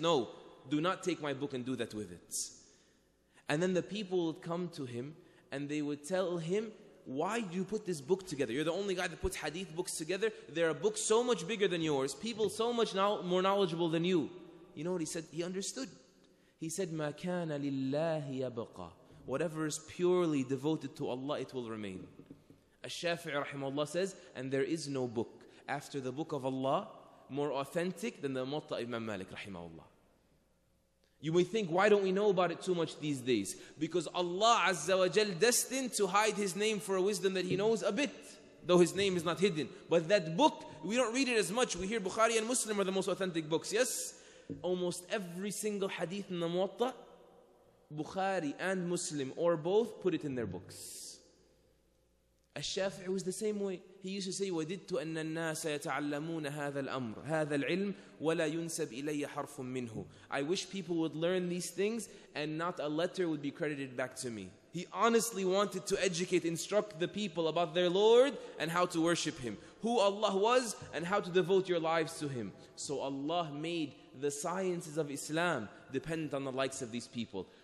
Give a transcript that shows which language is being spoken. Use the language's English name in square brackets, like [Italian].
[English] No, do not take my book and do that with it. And then the people would come to him, and they would tell him, why do you put this book together? You're the only guy that puts hadith books together. There are books so much bigger than yours. People so much more knowledgeable than you. You know what he said? He understood. He said, [Arabic] مَا كَانَ لِلَّهِ يَبَقَى. [English] Whatever is purely devoted to Allah, it will remain. Al-Shafi'i rahimahullah says, and there is no book after the book of Allah more authentic than the Muwatta Imam Malik rahimahullah. You may think, why don't we know about it too much these days? Because Allah Azza wa Jal destined to hide His name for a wisdom that He knows a bit, though His name is not hidden. But that book, we don't read it as much. We hear Bukhari and Muslim are the most authentic books, yes? Almost every single hadith in the Muwatta, Bukhari and Muslim, or both, put it in their books. Al-Shafi'i was the same way. He used to say, [Arabic] وَدِدْتُ أَنَّ النَّاسَ يَتَعَلَّمُونَ هَذَا الْأَمْرُ هَذَا الْعِلْمُ وَلَا يُنْسَبْ إِلَيَّ حَرْفٌ مِّنْهُ. [English] I wish people would learn these things and not a letter would be credited back to me. He honestly wanted to educate, instruct the people about their Lord and how to worship Him, who Allah was and how to devote your lives to Him. So Allah made the sciences of Islam dependent on the likes of these people.